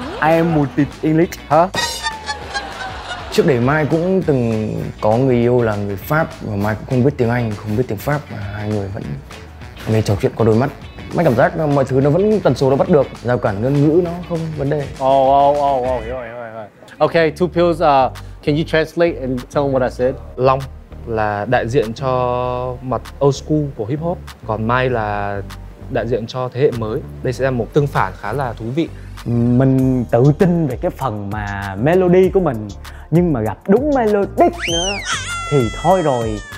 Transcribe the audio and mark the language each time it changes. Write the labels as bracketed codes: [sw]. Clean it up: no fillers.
[en] I am multi English, hả? Huh? [vi] Trước đây Mai cũng từng có người yêu là người Pháp và Mai cũng không biết tiếng Anh, không biết tiếng Pháp mà hai người vẫn nghe trò chuyện qua đôi mắt. Mai cảm giác mọi thứ nó vẫn tần số nó bắt được, giao cản ngôn ngữ nó không vấn đề. Oh, hiểu rồi. Okay, two pills. [en] Can you translate and tell them what I said? [vi] Long là đại diện cho mặt old school của hip hop, còn Mai là đại diện cho thế hệ mới. Đây sẽ là một tương phản khá là thú vị. Mình tự tin về cái phần mà melody của mình, nhưng mà gặp đúng melody nữa thì thôi rồi.